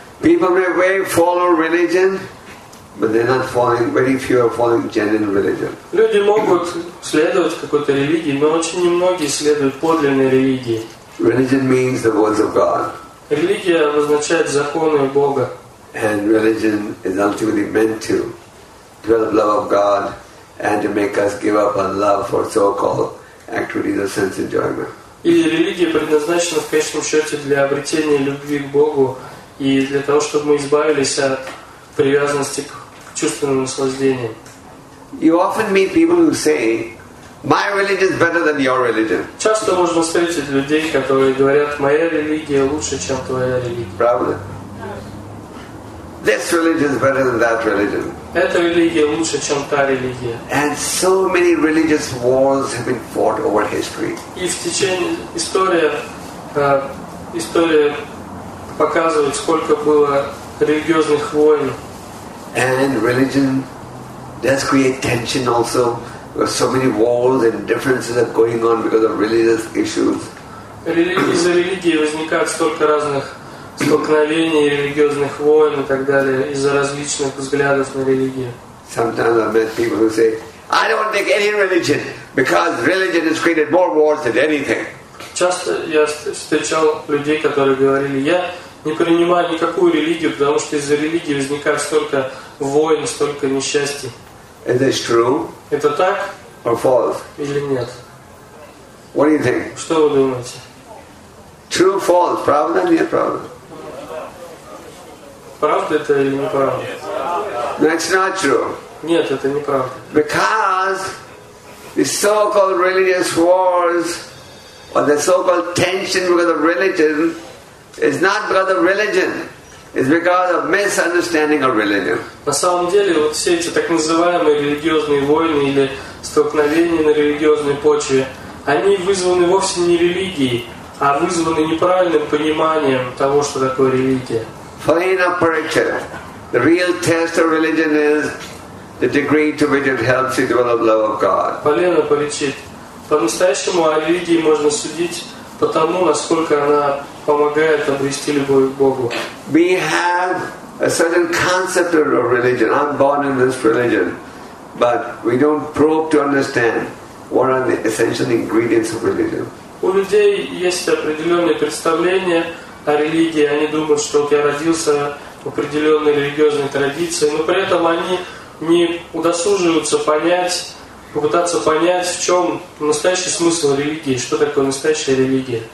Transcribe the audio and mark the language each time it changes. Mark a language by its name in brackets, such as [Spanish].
[English] People may well follow religion, but they're not following, very few are following genuine religion. [Russian] Люди могут следовать какой-то религии, но очень немногие следуют подлинной религии. [English] Religion means the words of God. [Russian] Религия означает законы Бога. [English] And religion is ultimately meant to develop love of God and to make us give up on love for so-called activities of sense enjoyment. [Russian] И религия предназначена в конечном счете для обретения любви к Богу и для того, чтобы мы избавились от привязанности к чувственным наслаждениям. [English] You often meet people who say, my religion is better than your religion. [Russian] Часто можно встретить людей, которые говорят, моя религия лучше, чем твоя религия. Правда? This religion is better than that religion. Эта религия лучше, чем та религия. [English] And so many religious wars have been fought over history. [Russian] И в течение история показывает, сколько было религиозных войн. [English] And religion does create tension also, because so many wars and differences are going on because of religious issues. [Russian] Из-за религии возникает столько разных столкновений, религиозных войн и так далее, из-за различных взглядов на религию. [English] Sometimes I've met people who say, I don't take any religion, because religion has created more wars than anything. [Russian] Часто я встречал людей, которые говорили, я не принимаю никакую религию, потому что из-за религии возникает столько войн, столько несчастий. [English] Is this true? [Russian] Это так? [English] Or false? [Russian] Или нет? [English] What do you think? [Russian] Что вы думаете? [English] True, false, [Russian] правда или неправда? Правда это или неправда? [English] No, it's not true. [Russian] Нет, это неправда. [English] Because the so-called religious wars or the so-called tension because of religion is not because of religion. It's because of misunderstanding of religion. [Russian] На самом деле, вот все эти так называемые религиозные войны или столкновения на религиозной почве, они вызваны вовсе не религией, а вызваны неправильным пониманием того, что такое религия. [English] For in operation, the real test of religion is the degree to which it helps you develop love of God. Полено поречит. [Russian] По-настоящему о религии можно судить по тому, насколько она помогает обрести любовь к Богу. [English] We have a certain concept of religion. I'm born in this religion, but we don't probe to understand what are the essential ingredients of religion. [Russian] У людей есть определенные представления о религии. Они думают, что вот я родился в определенной религиозной традиции, но при этом они не удосуживаются попытаться понять, в чем настоящий смысл религии, что такое настоящая религия.